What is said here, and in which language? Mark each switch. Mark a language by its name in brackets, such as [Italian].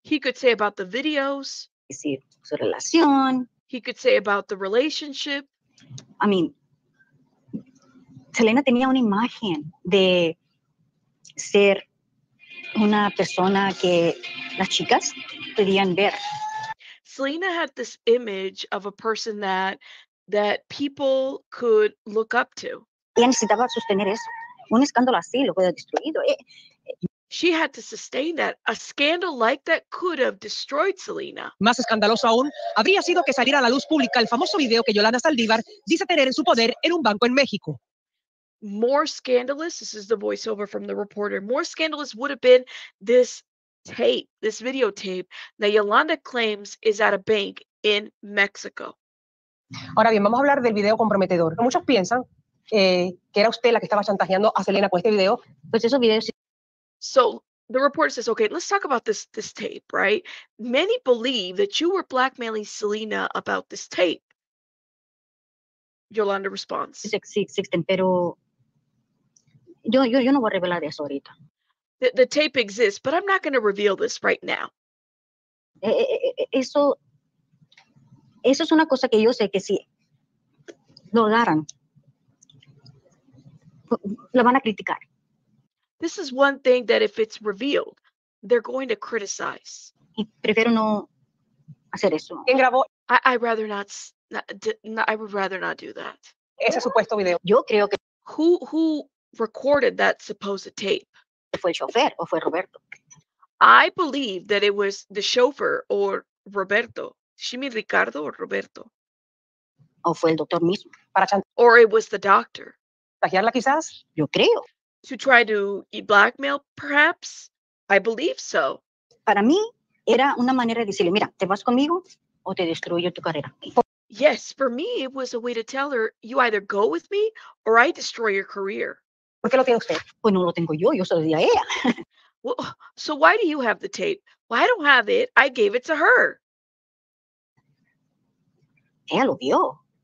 [English] he could say about the videos. [Spanish] Decir, su relación. [English] He could say about the relationship. I mean, [Spanish] Selena tenía una imagen de ser una persona que las chicas podían ver. [English] Selena had this image of a person that people could look up to. [Spanish] Ella necesitaba sostener eso. Un escándalo así lo hubiera destruido. [English] She had to sustain that. A scandal like that could have destroyed Selena. [Spanish] Más escandaloso aún, habría sido que saliera a la luz pública el famoso video que Yolanda Saldivar dice tener en su poder en un banco en México. [English] More scandalous, this is the voiceover from the reporter, more scandalous would have been this tape, this videotape that Yolanda claims is at a bank in Mexico. [Spanish] Ahora bien, vamos a hablar del video comprometedor. Muchos piensan que era usted la que estaba chantajeando a Selena con este video. Pues esos videos... [English] So the reporter says, okay, let's talk about this tape, right? Many believe that you were blackmailing Selena about this tape. Yolanda responds. [Spanish] Sí, existen, pero yo no voy a revelar eso ahorita. [English] The tape exists, but I'm not going to reveal this right now. [Spanish] Eso es una cosa que yo sé que si lo agarran, la van a criticar. [English] This is one thing that if it's revealed, they're going to criticize. [Spanish] Y prefiero no hacer eso. ¿Quién grabó? [English] I would rather not do that. [Spanish] Ese supuesto video. Yo creo que... [English] Who recorded that supposed tape? [Spanish] ¿Fue el chofer o fue Roberto? [English] I believe that it was the chauffeur or Roberto. [Spanish] ¿Shimi Ricardo o Roberto? ¿O fue el doctor mismo? [English] Or it was the doctor. [Spanish] ¿Tajearla quizás? Yo creo. [English] To try to blackmail, perhaps? I believe so. [Spanish] Para mí, era una manera de decirle, mira, ¿te vas conmigo o te destruyo tu carrera? [English] Yes, for me, it was a way to tell her, you either go with me or I destroy your career. [Spanish] ¿Por qué lo tiene usted? Pues no lo tengo yo, yo se lo di a ella. [English] Well, so why do you have the tape? Well, I don't have it. I gave it to her. [Spanish] Ella lo vio.